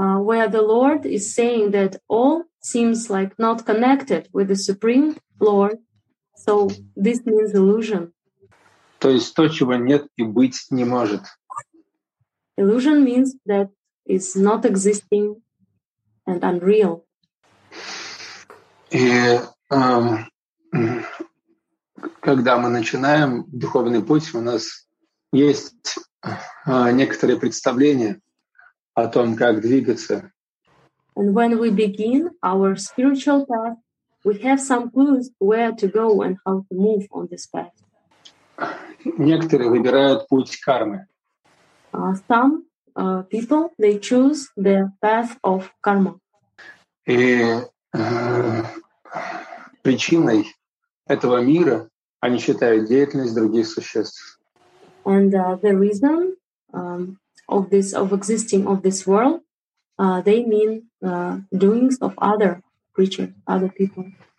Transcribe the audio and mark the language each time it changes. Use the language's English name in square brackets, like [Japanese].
[English] Where the Lord is saying that all seems like not connected with the Supreme Lord, so this means illusion. [Russian] То есть то, чего нет и быть не может. [English] Illusion means that it's not existing and unreal. [Russian] И когда мы начинаем духовный путь, у нас есть некоторые представления о том, как двигаться. [English] And when we begin our spiritual path, we have some clues where to go and how to move on this path. [Russian] Некоторые выбирают путь кармы. [English] Some people they choose the path of karma. [Russian] И причиной этого мира они считают деятельность других существ. [English] And the reason of existing of this world, they mean doings of other creatures, other people.